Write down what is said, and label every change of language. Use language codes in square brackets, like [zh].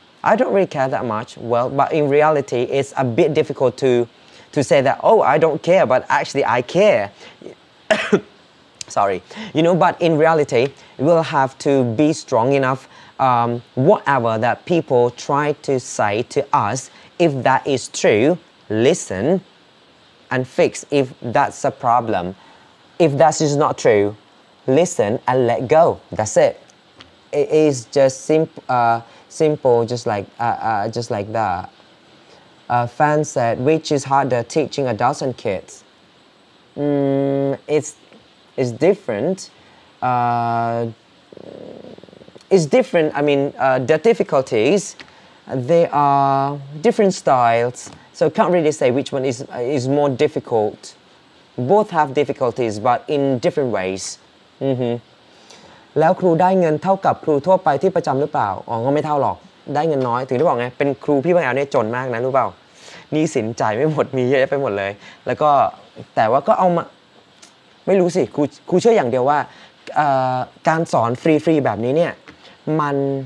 [en] I don't really care that much well but in reality it's a bit difficult to say that oh I don't care but actually I care sorry you know but in reality we'll have to be strong enoughwhatever that people try to say to us, if that is true, listen and fix if that's a problem. If that is not true, listen and let go. That's it. It is just simple, just like that. A fan said, which is harder, teaching adults and kids? It's different. It's different, I mean, the difficulties, they are different styles. So I can't really say which one is more difficult. Both have difficulties, but in different ways. [th] แล้วครูได้เงินเท่ากับครูทั่วไปที่ประจำหรือเปล่าอ๋อก็ไม่เท่าหรอกได้เงินน้อยถึงได้บอกไงเป็นครูพี่บางแอลเนี่ยจนมากนะรู้เปล่านี่สินจ่ายไม่หมดมีเยอะไปหมดเลยแล้วก็แต่ว่าก็เอามาไม่รู้สิครูเชื่ออย่างเดียวว่าการสอนฟรีๆแบบนี้เนี่ยมัน